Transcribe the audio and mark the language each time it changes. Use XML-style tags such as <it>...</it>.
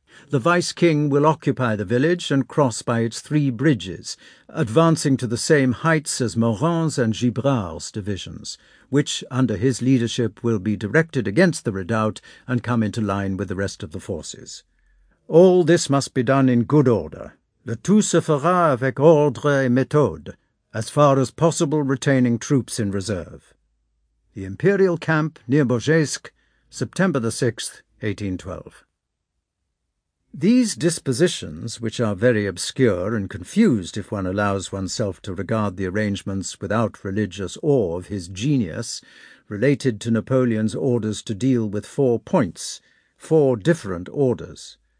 <en>The vice-king will occupy the village and cross by its three bridges, advancing to the same heights as Morand's and Gibrard's divisions, which, under his leadership, will be directed against the redoubt and come into line with the rest of the forces. All this must be done in good order.</en> <fr>Le tout se fera avec ordre et méthode,</fr> <en>as far as possible retaining troops in reserve. The Imperial Camp near Bozhesk, September the 6th, 1812. These dispositions, which are very obscure and confused if one allows oneself to regard the arrangements without religious awe of his genius, related to Napoleon's orders to deal with four points, four different orders.</en>